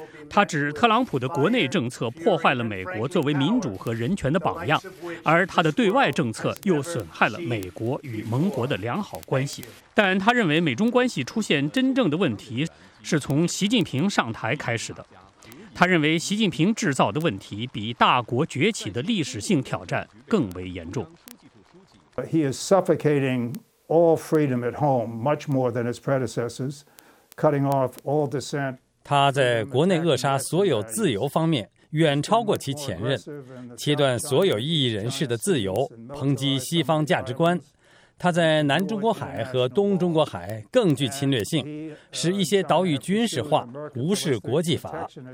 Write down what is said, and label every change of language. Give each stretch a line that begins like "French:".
Chinese: 他指特朗普的国内政策破坏了美国作为民主和人权的榜样，而他的对外政策又损害了美国与盟国的良好关系。但他认为，美中关系出现真正的问题是从习近平上台开始的。他认为，习近平制造的问题比大国崛起的历史性挑战更为严重。
English: He is suffocating all freedom at home much more than his predecessors, cutting off all dissent.
Chinese: 他在国内扼杀所有自由方面，远超过其前任，切断所有异议人士的自由，抨击西方价值观。它在南中国海和东中国海更具侵略性，使一些岛屿军事化，无视国际法。